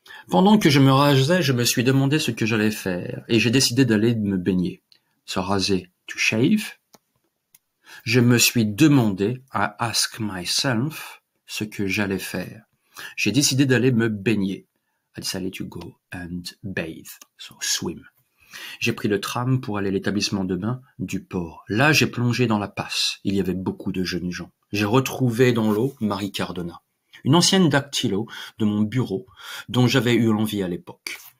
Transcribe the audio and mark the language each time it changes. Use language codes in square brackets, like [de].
[fr] Pendant que je me rasais, je me suis demandé ce que j'allais faire et j'ai décidé d'aller me baigner. Se raser, [en] to shave. [fr] Je me suis demandé, [en] I ask myself, [fr] ce que j'allais faire. J'ai décidé d'aller me baigner. [en] I decided to go and bathe, so swim. [fr] J'ai pris le tram pour aller à l'établissement de bain du port. Là, j'ai plongé dans la passe. Il y avait beaucoup de jeunes gens. J'ai retrouvé dans l'eau Marie Cardona, une ancienne dactylo de mon bureau dont j'avais eu l'envie à l'époque.